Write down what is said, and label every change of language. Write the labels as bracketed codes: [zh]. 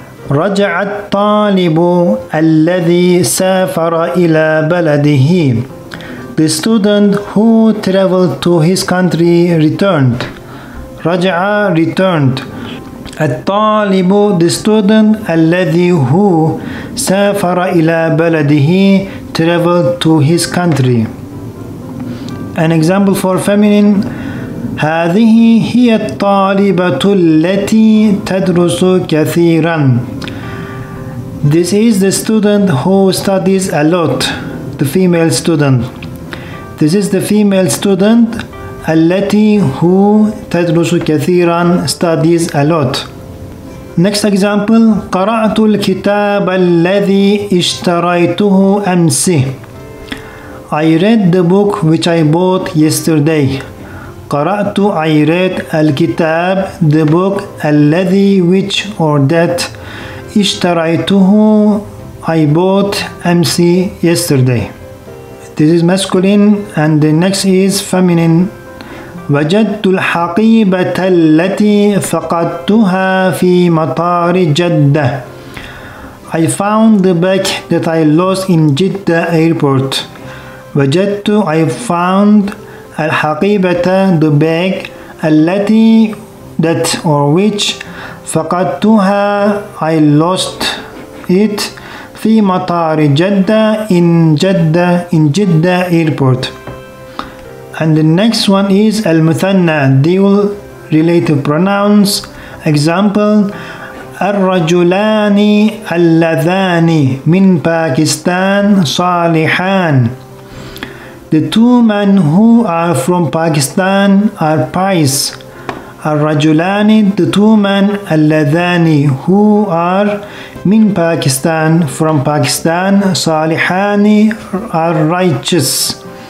[ar] رجع الطالب الذي سافر إلى بلده. [en] The student who traveled to his country returned. [ar] رجع [en] returned. [ar] الطالب [en] the student [ar] الذي هو سافر إلى بلده [en] traveled to his country. An example for feminine. [ar] هذه هي الطالبة التي تدرس كثيرا. [en] This is the student who studies a lot. The female student. This is the female student [ar] التي هو تدرس كثيرا [en] studies a lot. Next example. [ar] قرأت الكتاب الذي اشتريته أمس. [en] I read the book which I bought yesterday. [ar] قرأت [en] I read [ar] الكتاب [en] the book [ar] الذي [en] which or that [ar] اشتريته [en] I bought [ar] أمس [en] yesterday. This is masculine and the next is feminine. [ar] وجدت الحقيبة التي فقدتها في مطار جدة. [en] I found the bag that I lost in Jeddah airport. [ar] وجدت [en] I found [ar] الحقيبة [en] the bag [ar] التي [en] that or which [ar] فقدتها [en] I lost it [ar] في مطار جدة [en] in Jeddah airport. And the next one is المثنى dual relative pronouns. Example [ar] الرجلان اللذان من باكستان صالحان. [en] The two men who are from Pakistan are pious. Ar-rajulani, the two men, alladhani, who are min Pakistan, from Pakistan, salihani, are righteous.